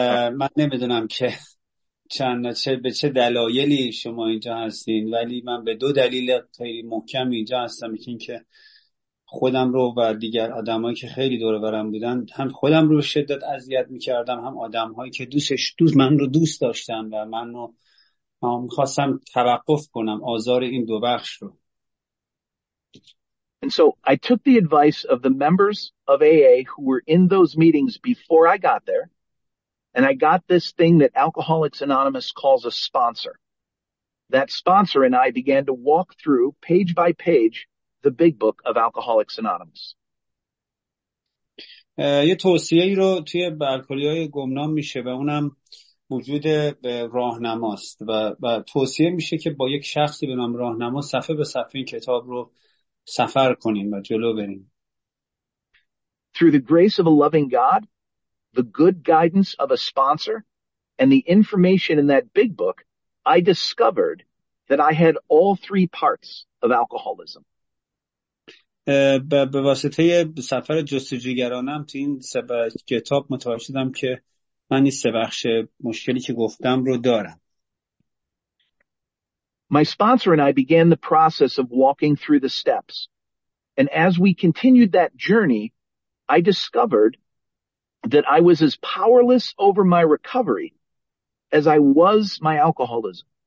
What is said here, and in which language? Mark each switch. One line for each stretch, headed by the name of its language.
Persian: من نمیدونم که چند چه به چه دلایلی شما اینجا هستین، ولی من به دو دلیل خیلی محکم اینجا هستم. یکی این که خودم رو و دیگر آدمایی که خیلی دور برم بودن، هم خودم رو شدت اذیت میکردم، هم آدمهایی که من رو دوست داشتم و من رو میخواستم توقف کنم، آزار این دو بخش رو.
English: And so I took the advice of the members of AA who were in those meetings before I got there, and I got this thing that Alcoholics Anonymous calls a sponsor. That sponsor and I began to walk through, page by page, the big book of Alcoholics Anonymous.
Persian: یه توصیه ای رو توی الکلی‌های گمنام میشه و اونم وجود راهنماست و توصیه میشه که با یک شخصی به نام راهنما صفحه به صفحه این کتاب رو سفر کنیم و جلو بریم.
English: Through the grace of a loving God, the good guidance of a sponsor, and the information in that big book, I discovered that I had all three parts of alcoholism.
Persian: به واسطه سفر جستجوگرانم تو این کتاب متوجه شدم که من این سه بخش مشکلی که گفتم رو دارم.
English: My sponsor and I began the process of walking through the steps. And as we continued that journey, I discovered that I was as powerless over my recovery as I was my alcoholism.